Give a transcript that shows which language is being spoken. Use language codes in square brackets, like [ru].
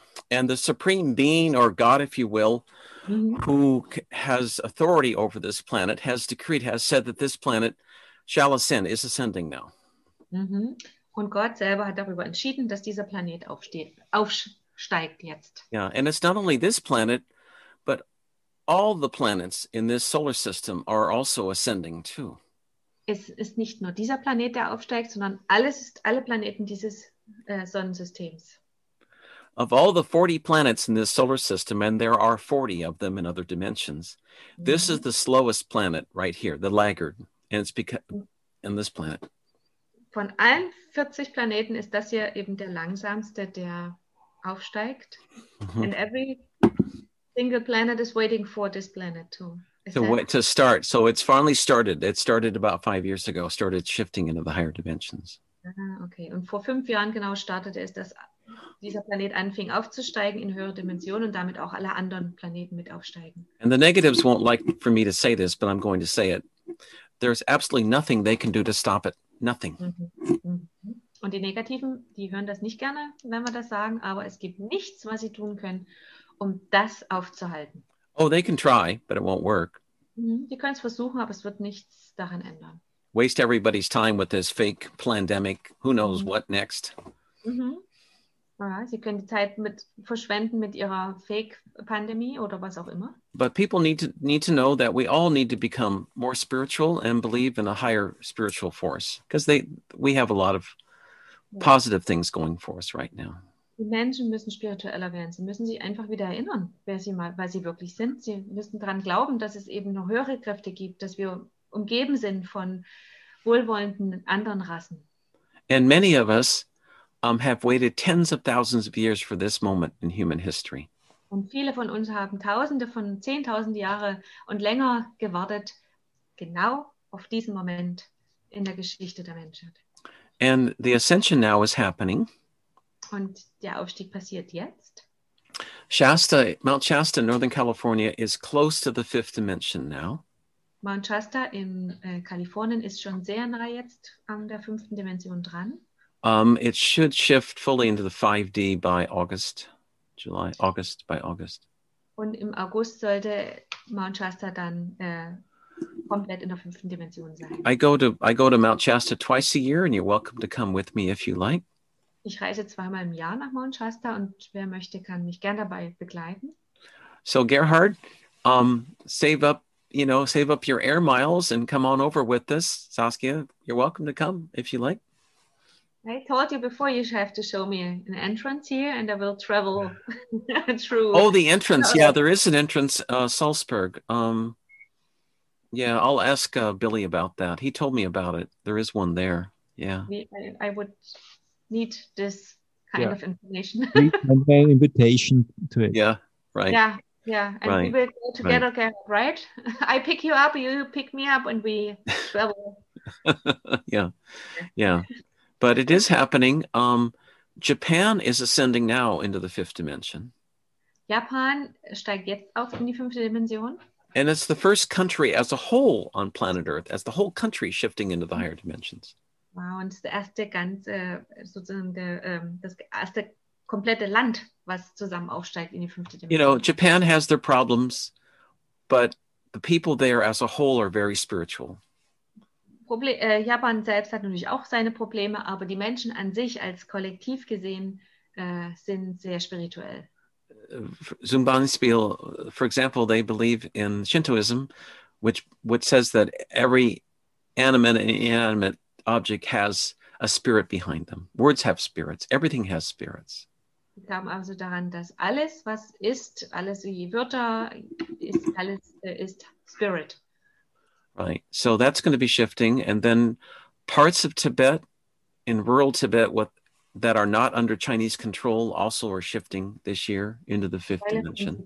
[en] And the supreme being or God, if you will, who has authority over this planet, has decreed, has said that this planet shall ascend, is ascending now. Mm-hmm. [de] Und Gott selber hat darüber entschieden, dass dieser Planet aufsteigt jetzt. [en] Yeah, and it's not only this planet, but all the planets in this solar system are also ascending too. [de] es ist nicht nur dieser Planet, der aufsteigt, sondern alles ist alle Planeten dieses Sonnensystems. [en] Of all the 40 planets in this solar system, and there are 40 of them in other dimensions, this is the slowest planet right here, the laggard, and it's because in this planet. [de] Von allen 40 Planeten ist das hier eben der langsamste, der aufsteigt. Mm-hmm. [en] And every single planet is waiting for this planet too. To start. So it's finally started. It started about 5 years ago, started shifting into the higher dimensions. Okay. [de] Und vor 5 Jahren genau startete es, dass dieser Planet anfing aufzusteigen in höhere Dimensionen und damit auch alle anderen Planeten mit aufsteigen. [en] And the negatives won't like for me to say this, but I'm going to say it. There's absolutely nothing they can do to stop it. Nothing. [de] Und die Negativen, die hören das nicht gerne, wenn wir das sagen, aber es gibt nichts, was sie tun können, um das aufzuhalten. [en] Oh, they can try, but it won't work. [de] Die können es versuchen, aber es wird nichts daran ändern. [en] Waste everybody's time with this fake pandemic. Who knows what next? [de] Ja, sie können die Zeit mit verschwenden mit ihrer Fake-Pandemie oder was auch immer. [en] But people need to know that we all need to become more spiritual and believe in a higher spiritual force. Because we have a lot of positive things going for us right now. [de] Die Menschen müssen spiritueller werden. Sie müssen sich einfach wieder erinnern, wer sie wirklich sind. Sie müssen daran glauben, dass es eben noch höhere Kräfte gibt, dass wir umgeben sind von wohlwollenden anderen Rassen. [en] And many of us have waited tens of thousands of years for this moment in human history. [de] Und viele von uns haben Tausende von Zehntausend Jahre und länger gewartet, genau auf diesen Moment in der Geschichte der Menschheit. [en] And the ascension now is happening. [de] Und der Aufstieg passiert jetzt. [en] Shasta, Mount Shasta, Northern California, is close to the fifth dimension now. [de] Mount Shasta in Kalifornien ist schon sehr nah jetzt an der fünften Dimension dran. [en] It should shift fully into the 5D by August, July, August, by August. [de] Und im August sollte Mount Shasta dann komplett in der fünften Dimension sein. [en] I go to Mount Shasta twice a year, and you're welcome to come with me if you like. [de] Ich reise zweimal im Jahr nach Mount Shasta, und wer möchte, kann mich gern dabei begleiten. [en] So Gerhard, save up your air miles and come on over with us. Saskia, you're welcome to come if you like. I told you before you have to show me an entrance here, and I will travel through. Oh, the entrance. Yeah, there is an entrance, Salzburg. Yeah, I'll ask Billy about that. He told me about it. There is one there. Yeah. I would need this kind of information. Need an invitation to it. Yeah, right. Yeah. And right. We will go together, right? I pick you up, you pick me up, and we travel. Yeah. But it is happening. Japan is ascending now into the fifth dimension. [de] Japan steigt jetzt auf in die fünfte Dimension. [en] And it's the first country as a whole on planet Earth, as the whole country shifting into the higher dimensions. [de] Wow, und es ist das erste ganze, sozusagen das erste komplette Land, was zusammen aufsteigt in die fünfte Dimension. [en] You know, Japan has their problems, but the people there as a whole are very spiritual. [de] Japan selbst hat natürlich auch seine Probleme, aber die Menschen an sich als Kollektiv gesehen sind sehr spirituell. Zum Beispiel, [en] for example, they believe in Shintoism, which says that every animate and inanimate object has a spirit behind them. Words have spirits. Everything has spirits. [de] Sie glauben also daran, dass alles, was ist, alles wie Wörter, ist alles ist Spirit. [en] Right, so that's going to be shifting, and then parts of Tibet, in rural Tibet, that are not under Chinese control, also are shifting this year into the fifth dimension.